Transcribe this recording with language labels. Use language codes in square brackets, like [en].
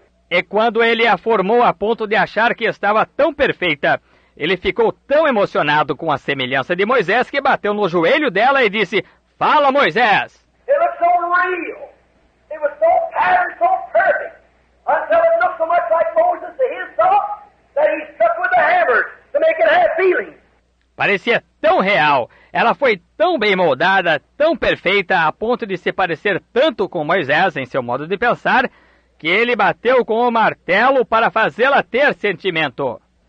[pt] E quando ele a formou a ponto de achar que estava tão perfeita, ele ficou tão emocionado com a semelhança de Moisés que bateu no joelho dela e disse, fala, Moisés! [en] It looked so real. It was so patterned, so perfect. Until it looked so much like Moses to his thought that he struck with a hammer to make it have feeling. [pt] Parecia tão real. Ela foi tão bem moldada, tão perfeita, a ponto de se parecer tanto com Moisés em seu modo de pensar, que ele bateu com o martelo para fazê-la ter sentimento.